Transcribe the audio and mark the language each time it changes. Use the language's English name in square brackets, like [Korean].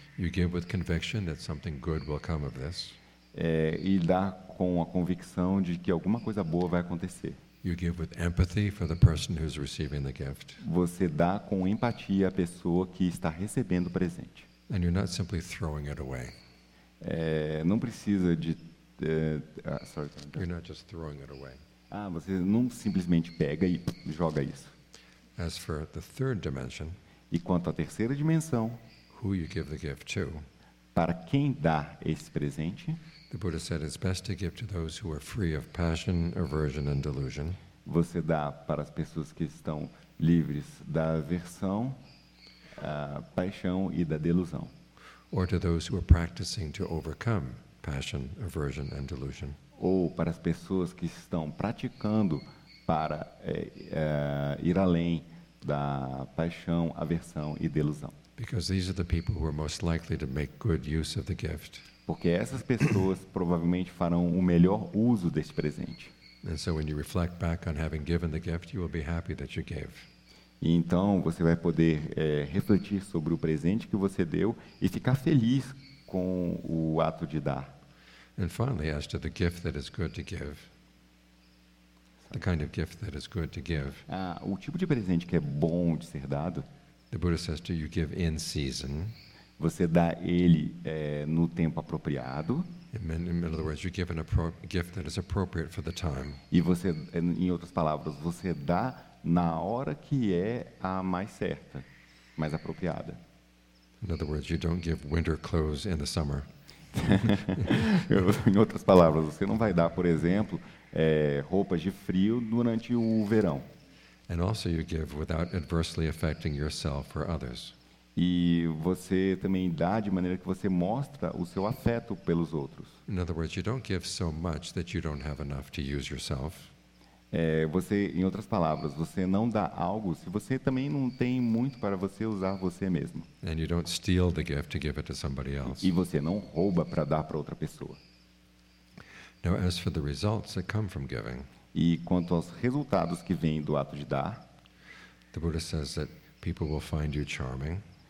[English] You give with conviction that something good will come of this. [Portuguese] E dar com a convicção de que alguma coisa boa vai acontecer. [English] You give with empathy for the person who's receiving the gift. [Portuguese] Você dá com empatia a pessoa que está recebendo o presente. [English] And you're not simply throwing it away. [Portuguese] Não precisa de [English] You're not just throwing it away. [Portuguese] Você não simplesmente pega e joga isso. [English] As for the third dimension, [Portuguese] e quanto à terceira dimensão, [English] who you give the gift to, [Portuguese] para quem dá esse presente, [English] the Buddha said it's best to give to those who are free of passion, aversion, and delusion. [Portuguese] Você dá para as pessoas que estão livres da aversão, paixão e da delusão. [English] Or to those who are practicing to overcome passion, aversion, and delusion. [Portuguese] Ou para as pessoas que estão praticando para ir além da paixão, aversão e delusão. [English] Because these are the people who are most likely to make good use of the gift. [Portuguese] Porque essas pessoas provavelmente farão o melhor uso deste presente. [English] And so when you reflect back on having given the gift, you will be happy that you gave. [Portuguese] E então você vai poder refletir sobre o presente que você deu e ficar feliz com o ato de dar. [English] And finally, as to the gift that is good to give. The kind of gift that is good to give. [Portuguese] O tipo de presente que é bom de ser dado. [English] The Buddha says to you give in season. [Portuguese] Você dá ele no tempo apropriado. [English] In other words, you give a gift that is appropriate for the time. [Portuguese] E você, em outras palavras, você dá na hora que é a mais certa, mais apropriada. [English] In other words, you don't give winter clothes in the summer. [Portuguese] Em outras palavras, você não vai dar, por exemplo, roupas de frio durante o verão. [English] And also you give without adversely affecting yourself or others. [Portuguese] E você também dá de maneira que você mostra o seu afeto pelos outros. [English] In other words, you don't give so much that you don't have enough to use yourself. [Portuguese] Você, em outras palavras, você não dá algo se você também não tem muito para você usar você mesmo. [English] And you don't steal the gift to give it to somebody else. [Portuguese] E você não rouba para dar para outra pessoa. [English] Now, as for the results that come from giving, [Portuguese] e quanto aos resultados que vêm do ato de dar, [English] the Buddha says that people will find you charming.